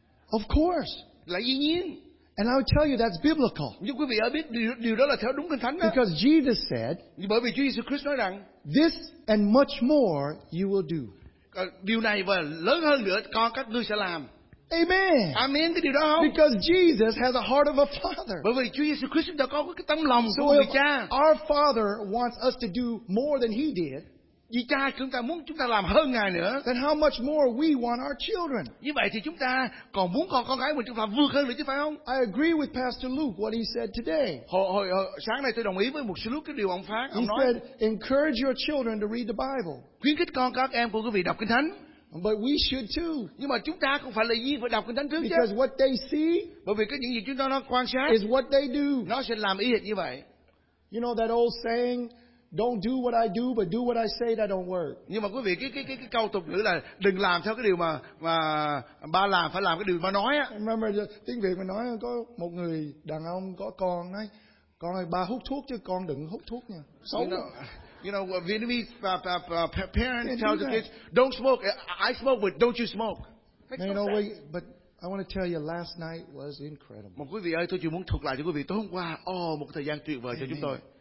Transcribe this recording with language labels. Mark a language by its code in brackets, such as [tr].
[en] Of course. [vi] Là dĩ nhiên. [en] And I'll tell you that's biblical. [vi] Nhưng quý vị ở biết điều đó là theo đúng Kinh Thánh đó. [en] Because Jesus said. [vi] Bởi vì Chúa Giêsu Christ nói rằng. [en] This and much more you will do. [vi] Điều này và lớn hơn nữa con các ngươi sẽ làm. [en] Amen. [vi] Amen cái điều đó không? [en] Because Jesus has the heart of a father. [vi] Bởi vì Chúa Giêsu Christ đã có cái tấm lòng [en] so [vi] của người cha. [en] Our Father wants us to do more than He did. [vi] Vì cha chúng ta muốn chúng ta làm hơn Ngài nữa. [en] Then how much more we want our children? [vi] Như vậy thì chúng ta còn muốn còn con gái mình chúng ta vượt hơn nữa chứ phải không? [en] I agree with Pastor Luke what he said today. [vi] Hồi sáng nay tôi đồng ý với một số lúc cái điều ông phát. [en] He said, encourage your children to read the Bible. [vi] Khuyến khích con các em của quý vị đọc Kinh Thánh. [en] But we should too. [vi] Nhưng mà chúng ta cũng phải là gì phải đọc Kinh Thánh trước chứ. [en] Because what they see. [vi] Bởi vì cái những gì chúng ta nó quan sát. [en] Is what they do. [vi] Nó sẽ làm y hệt như vậy. [en] You know that old saying. Don't do what I do, but do what I say. That don't work. [vi] Nhưng mà quý vị, cái câu tục ngữ là đừng làm theo cái điều mà ba làm, phải làm cái điều ba nói á. [en] Remember [vi] tiếng Việt mình nói có một người đàn ông có con ấy, con ơi ba hút thuốc chứ con đừng hút thuốc nha. Xấu. [en] You know Vietnamese parents tell the kids, don't smoke. I smoke, but don't you smoke. Man, no way, but I want to tell you, last night was incredible. [vi] Mà quý vị ơi, tôi chỉ muốn thuật lại cho quý vị tối hôm qua, một thời gian tuyệt vời cho chúng tôi.